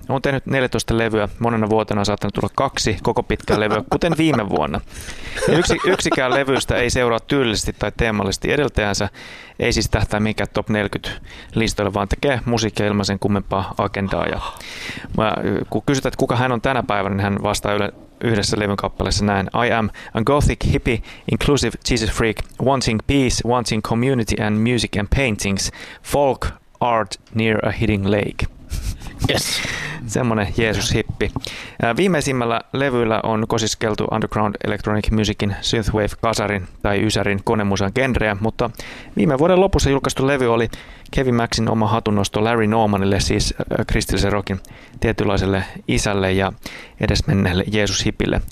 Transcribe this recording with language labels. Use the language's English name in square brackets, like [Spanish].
[Finnish] On tehnyt 14 levyä, monena vuotena on saattanut tulla 2 koko pitkää levyä, kuten viime vuonna. Ja yksikään levyistä ei seuraa tyylisesti tai teemallisesti edeltäjänsä, ei siis tähtää mikään top 40 listoille, vaan tekee musiikkia ilman sen kummempaa agendaa. Ja kun kysytään, että kuka hän on tänä päivänä, niin hän vastaa yhdessä levyn kappaleessa näin. [English] I am a gothic hippie, inclusive Jesus freak, wanting peace, wanting community and music and paintings, folk, art near a hidden lake. Yes. [Finnish] Semmoinen Jeesus-hippi. Viimeisimmällä levyllä on kosiskeltu underground electronic musicin, synthwave, kasarin tai ysärin konemusan genreä, mutta viime vuoden lopussa julkaistu levy oli Kevin Maxin oma hatunnosto Larry Normanille, siis kristillisen rockin tietynlaiselle isälle ja edesmenneelle Jeesus-hippille.